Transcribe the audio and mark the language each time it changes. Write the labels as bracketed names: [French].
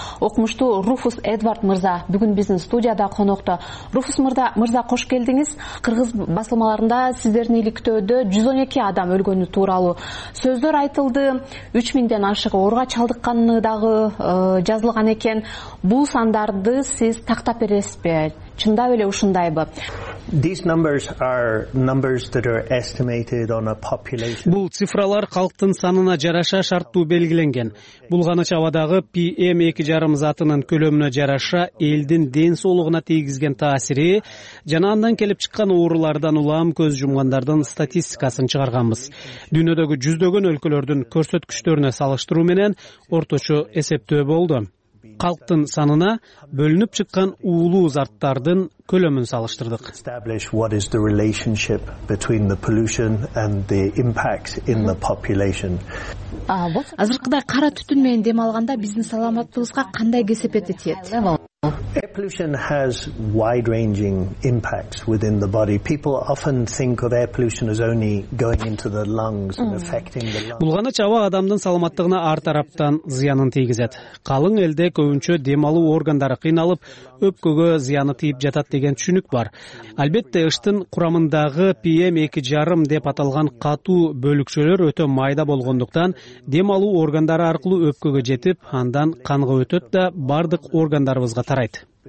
[Kyrgyz] окумуштуу Руфус Эдвард мырза бүгүн биздин студияда конокто. Руфус мырза, кош келдиңиз. Кыргыз басылмаларында сиздердин иликтөөдө 112 адам өлгөнү тууралуу сөздөр айтылды. 3000'ден ашыгы ооруга чалдыкканы дагы жазылган экен. Бул сандарды сиз тактап бересизби? Чындап эле ушундайбы? [English] These numbers are numbers that are estimated on a population. [Kyrgyz] Бул цифралар калктын санына жараша шарттуу белгиленген. Бул ганыч абадагы PM2.5 затынын көлөмүнө жараша элдин ден соолугуна тийгизген таасири жана андан келип чыккан оорулардан улам көз жумгандардын статистикасын чыгарганбыз. Дүйнөдөгү жүздөгөн өлкөлөрдүн көрсөткүчтөрүнө салыштыруу менен орточо эсептөө болду. Калктын санына бөлүнүп чыккан уулуу заттардын көлөмүн салыштырдык. [English] Establish what is the relationship between the pollution and the impact in the population. [Kyrgyz] Азыркыдай кара түтүн менен дем алганда биздин саламаттыгыбызга кандай кесепети тиет? [English] Air pollution has wide-ranging impacts within the body. People often think of air pollution as only going into the lungs and affecting the lungs. [Kyrgyz] Бул ганыч аба адамдын саламаттыгына ар тараптан зыянын тийгизет. Калың элде көбүнчө дем алуу органдары кыйналып, өпкөгө зыяны тийип жатат деген түшүнүк бар. Албетте, ыштын курамындагы PM2.5 деп аталган катуу бөлүкчөлөр өтө майда болгондуктан, дем алуу органдары аркылуу өпкөгө жетип, андан канга өтөт да бардык органдарыбызга тарайт.